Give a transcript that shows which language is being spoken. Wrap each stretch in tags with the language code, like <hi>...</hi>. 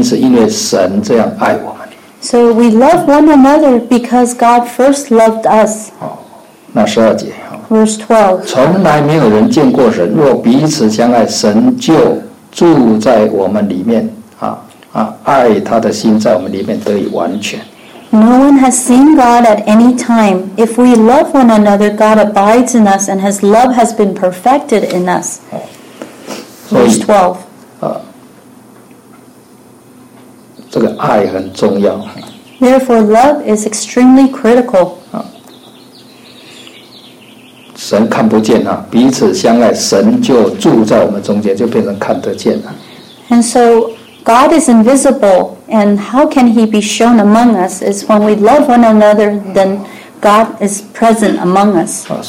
<zh>所以我们彼此相爱的原因是因为神这样爱我们。</zh> <en>So we love one another because God first loved us.</en> <zh>那十二节。</zh> <en>Verse 12.</en> <zh>从来没有人见过神, 若彼此相爱, 神就 住在我们里面,</zh> <en>啊, no one has seen God at any time. If we love one another, God abides in us, and his love has been perfected in us. Verse 12. Therefore, love is extremely critical.</en> <zh>神看不见啊, 彼此相爱, 神就住在我们中间, 就变成看得见了。</zh> <en>And so God is invisible, and how can he be shown among us? It's when we love one another, then God is present among us.</en>